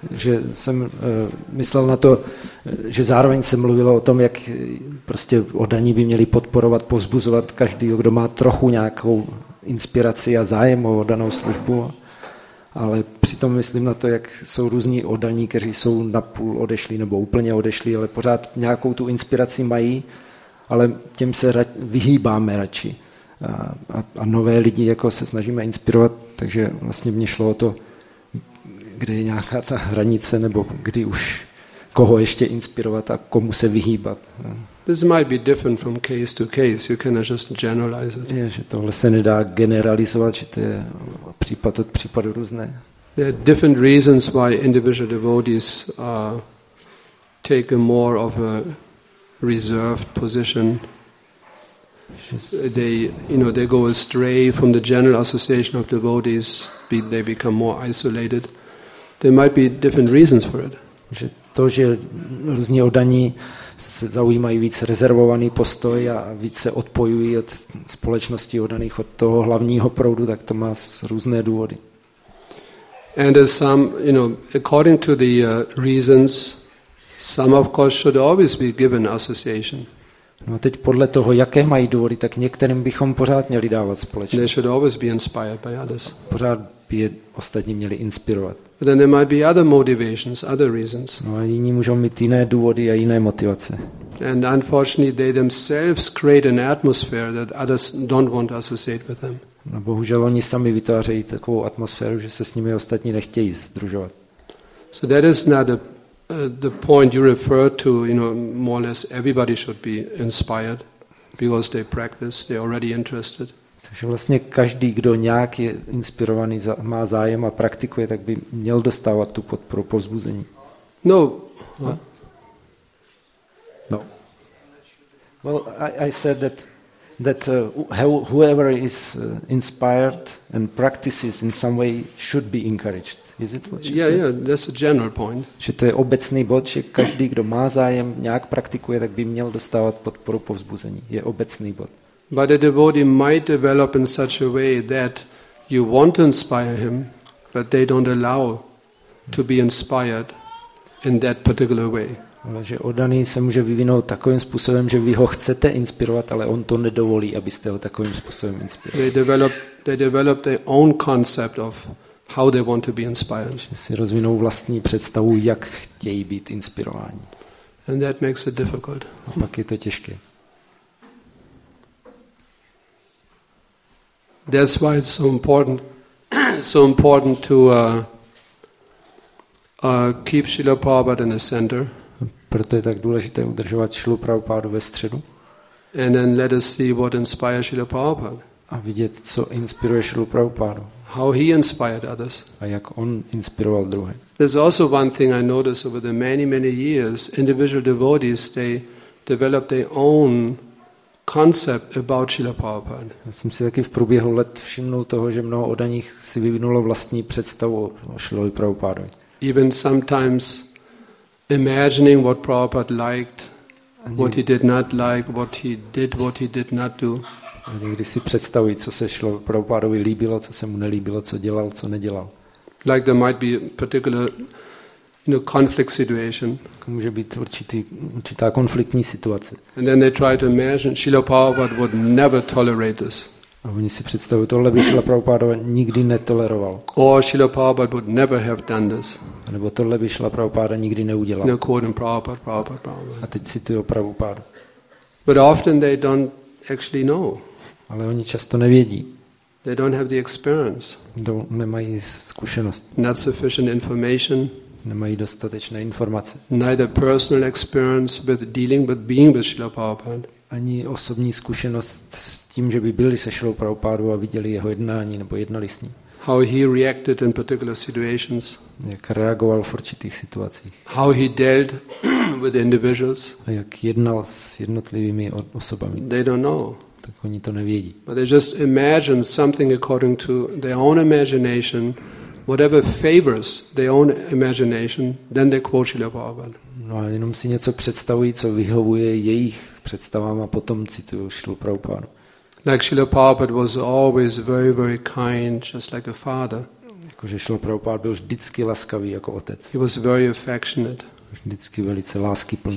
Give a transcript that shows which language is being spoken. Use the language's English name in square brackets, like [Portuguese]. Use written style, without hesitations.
[Czech] Že jsem myslel na to, že zároveň se mluvilo o tom, jak prostě oddaní by měli podporovat, povzbuzovat každého, kdo má trochu nějakou inspiraci a zájem o oddanou službu, ale přitom myslím na to, jak jsou různí oddaní, kteří jsou napůl odešli nebo úplně odešli, ale pořád nějakou tu inspiraci mají, ale těm se vyhýbáme radši. A nové lidi jako se snažíme inspirovat, takže vlastně mě šlo o to, kde je nějaká ta hranice, nebo kdy už koho ještě inspirovat a komu se vyhýbat. [English] This might be different from case to case. You cannot just generalize it. [Czech] Je, že tohle se nedá generalizovat, že to je případ od případu různé. [English] There are different reasons why individual devotees take a more of a reserved position. They, you know, they go astray from the general association of devotees, they become more isolated. There might be different reasons for it. [Czech] Že to, že různí oddaní se zaujímají víc rezervovaný postoj a víc se odpojují od společnosti oddaných, od toho hlavního proudu, tak to má různé důvody. [English] And as some, you know, according to the reasons, some of course should always be given association. [Czech] No a teď podle toho, jaké mají důvody, tak některým bychom pořád měli dávat společnost. [English] They should always be inspired by others. [Czech] Pořád by je ostatní měli inspirovat. [English] Then there might be other motivations, other reasons. [Czech] No a jiní můžou mít jiné důvody a jiné motivace. [English] And unfortunately they themselves create an atmosphere that others don't want to associate with them. [Czech] No bohužel oni sami vytvářejí takovou atmosféru, že se s nimi ostatní nechtějí sdružovat. [English] So that is not the point you refer to, you know, more or less everybody should be inspired because they practice, they're already interested. [Czech] Takže vlastně každý, kdo nějak je inspirovaný, má zájem a praktikuje, tak by měl dostávat tu podporu, povzbuzení. No. No. [English] Well, I said that whoever is inspired and practices in some way should be encouraged. Is it what you said? Yeah, that's a general point. [Czech] Že to je obecný bod, že každý, kdo má zájem, nějak praktikuje, tak by měl dostávat podporu, povzbuzení. Je obecný bod. [English] But a devotee might develop in such a way that you want to inspire him, but they don't allow to be inspired in that particular way. [Czech] Že oddaný se může vyvinout takovým způsobem, že vy ho chcete inspirovat, ale on to nedovolí, abyste ho takovým způsobem inspirovali. [English] They develop their own concept of how they want to be inspired. [Czech] Že si rozvinou vlastní představu, jak chtějí být inspirováni. [English] And that makes it difficult. [Czech] A pak je to těžké. [English] That's why it's so important to keep Srila Prabhupada in the center. [Czech] Proto je tak důležité udržovat Srilu Prabhupádu ve středu. [English] And then let us see what inspires Srila Prabhupada. [Czech] A vidět, co inspiruje Srilu Prabhupádu. [English] How he inspired others. [Czech] A jak on inspiroval druhé. [English] There's also one thing I noticed over the many, many years. Individual devotees, they develop their own concept about Srila Prabhupada. [Czech] Já jsem si taky v průběhu let všimnul toho, že mnoho odaných si vyvinulo vlastní představu o Srilovi Prabhupádovi. [English] Even sometimes imagining what Prabhupada liked, what he did not like, what he did not do. [Czech] A někdy si představují, co se Srilovi Prabhupádovi líbilo, co se mu nelíbilo, co dělal, co nedělal. [English] Like there might be a particular, you know, conflict situation. [Czech] Může být určitá konfliktní situace. [English] And then they try to imagine Srila Prabhupada would never tolerate this. [Czech] A oni si představují, tohle by Srila Prabhupada nikdy netoleroval. [English] Or Srila Prabhupada would never have done this. [Czech] A nebo tohle by Srila Prabhupada nikdy neudělal. [English] No, quoting Prabhupada. [Czech] A teď cituje Prabhupada. [English] But often they don't actually know. [Czech] Ale oni často nevědí. [English] They don't have the experience. [Czech] Nemají zkušenost. [English] Not sufficient information. [Czech] Nemají dostatečné informace. [English] Neither personal experience with dealing with being with Srila Prabhupada. [Czech] Ani osobní zkušenost s tím, že by byli se Srilou Prabhupádou a viděli jeho jednání nebo jednali s ním. [English] How he reacted in particular situations. [Czech] Jak reagoval v určitých situacích. [English] How he dealt with individuals. [Czech] A jak jednal s jednotlivými osobami. [English] They don't know. [Czech] Tak oni to nevědí. [English] But they just imagine something according to their own imagination. Whatever favors their own imagination, then they quote Srila Prabhupada. [Czech] No a jenom si něco představují, co vyhovuje jejich představám a potom cituju Srilu Prabhupádu. [English] Like Srila Prabhupada was always very, very kind, just like a father. [Czech] Jakože Srila Prabhupada byl vždycky laskavý jako otec. [English] He was very affectionate. [Czech] Vždycky velice láskyplný.